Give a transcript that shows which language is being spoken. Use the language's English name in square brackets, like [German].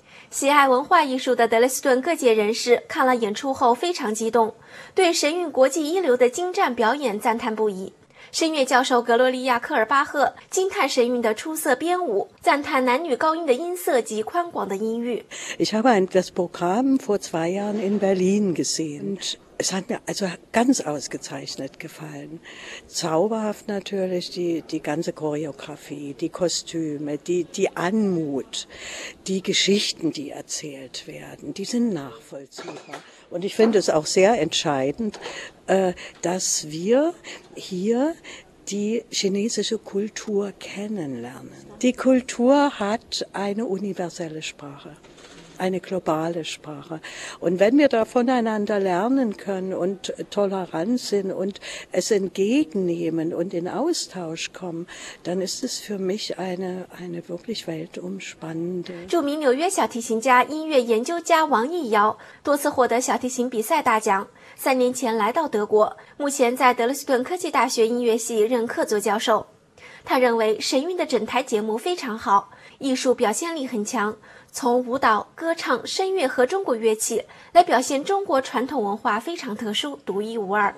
[Chinese] 喜爱文化艺术的德累斯顿各界人士看了演出后非常激动，对神韵国际一流的精湛表演赞叹不已。声乐教授格罗利亚·科尔巴赫惊叹神韵的出色编舞，赞叹男女高音的音色及宽广的音域。 [German] Ich habe das Programm vor zwei Jahren in Berlin gesehen. Es hat mir also ganz ausgezeichnet gefallen. Zauberhaft natürlich die ganze Choreografie, die Kostüme, die Anmut, die Geschichten, die erzählt werden, die sind nachvollziehbar. Und ich finde es auch sehr entscheidend, dass wir hier die chinesische Kultur kennenlernen. Die Kultur hat eine universelle Sprache, eine globale Sprache. Und wenn wir da voneinander lernen können und tolerant sind und es entgegennehmen und in Austausch kommen, dann ist es für mich eine wirklich weltumspannende. [Chinese] 著名纽约小提琴家、音乐研究家王毅瑶多次获得小提琴比赛大奖，三年前来到德国，目前在德累斯顿科技大学音乐系任客座教授。他认为神韵的整台节目非常好，艺术表现力很强，从舞蹈、歌唱、声乐和中国乐器来表现中国传统文化非常特殊、独一无二。